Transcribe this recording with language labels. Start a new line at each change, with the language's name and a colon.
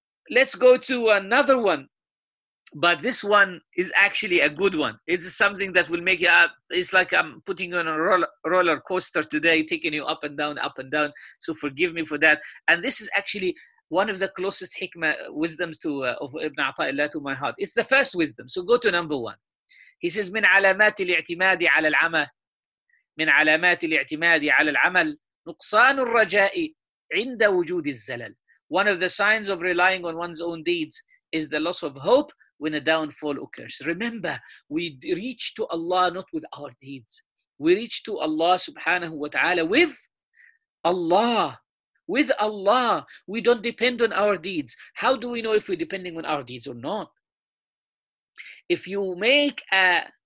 English: Let's go to another one. But this one is actually a good one. It's something that will make you up. It's like I'm putting you on a roller coaster today, taking you up and down, up and down. So forgive me for that. And this is actually one of the closest hikmah wisdoms of Ibn Ata'illah to my heart. It's the first wisdom. So go to number one. He says,
Arabic: من علامات الاعتماد على العمل من علامات الاعتماد على العمل نقصان الرجاء عند وجود الزلل.
English: One of the signs of relying on one's own deeds is the loss of hope when a downfall occurs. Remember, we reach to Allah not with our deeds. We reach to Allah subhanahu wa ta'ala with Allah. With Allah. We don't depend on our deeds. How do we know if we're depending on our deeds or not? If you make a